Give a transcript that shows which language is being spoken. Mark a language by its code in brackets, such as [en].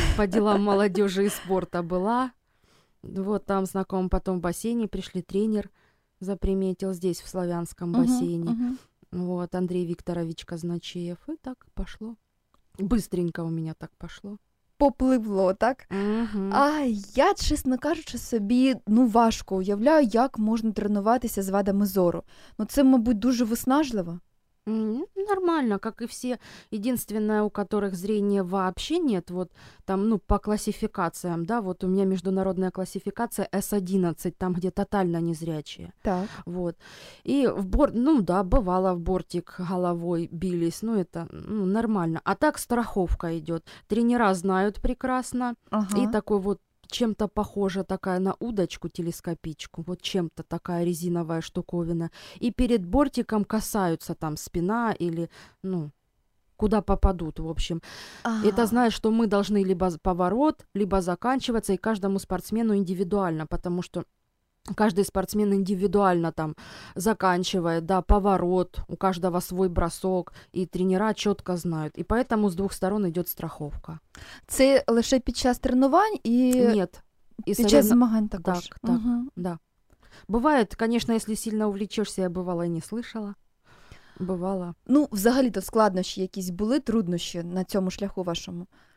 [ru] По делам молодёжи и спорта была. Вот там знаком, потом в бассейне пришли, тренер заприметил здесь, в Славянском бассейне. Вот, Андрей Викторович Казначеев. И так пошло. Быстренько у меня так пошло. [uk] Попливло, так? А я, чесно кажучи, собі, ну, важко уявляю, як можна тренуватися з вадами зору. Ну, це, мабуть, дуже виснажливо. [ru] Нормально, как и все. Единственное, у которых зрения вообще нет, вот там, ну, по классификациям, да, вот у меня международная классификация S11, там, где тотально незрячие. Так. Вот. И в борт, ну, да, бывало в бортик головой бились, ну, это, ну, нормально. А так страховка идёт. Тренера знают прекрасно. Ага. И такой вот чем-то похожа такая на удочку телескопичку, вот чем-то такая резиновая штуковина, и перед бортиком касаются там спина или, ну, куда попадут, в общем. Ага. Это значит, что мы должны либо поворот, либо заканчиваться, и каждому спортсмену индивидуально, потому что каждый спортсмен индивидуально там заканчивает, да, поворот, у каждого свой бросок, и тренера четко знают. И поэтому с двух сторон идет страховка. [uk] Це лише під час тренувань и... [ru] Нет. [uk] И під час змагань також. [ru] Так, так, да. Бывает, конечно, если сильно увлечешься, я бывала и не слышала. Бывала. [uk] Ну, взагалі-то складнощі якісь були, труднощі на цьому шляху вашому?